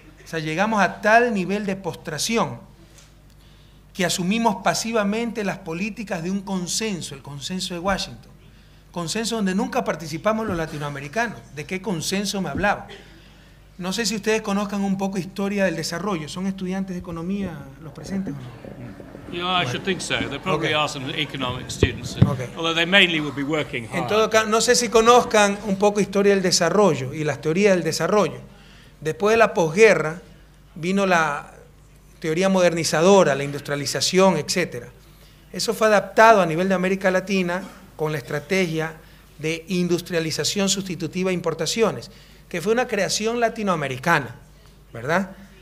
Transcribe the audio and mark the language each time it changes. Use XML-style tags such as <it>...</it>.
<es>O sea, llegamos a tal nivel de postración que asumimos pasivamente las políticas de un consenso, el consenso de Washington. Consenso donde nunca participamos los latinoamericanos. ¿De qué consenso me hablaba? No sé si ustedes conozcan un poco historia del desarrollo. ¿Son estudiantes de economía los presentes o no?</es> <en>Yeah, I should think so. There probably are some economic students, although they mainly would be working hard.</en> <es>En todo caso, no sé si conozcan un poco historia del desarrollo y las teorías del desarrollo. Después de la posguerra vino la teoría modernizadora, la industrialización, etc. Eso fue adaptado a nivel de América Latina con la estrategia de industrialización sustitutiva e importaciones, que fue una creación latinoamericana, ¿verdad?</es>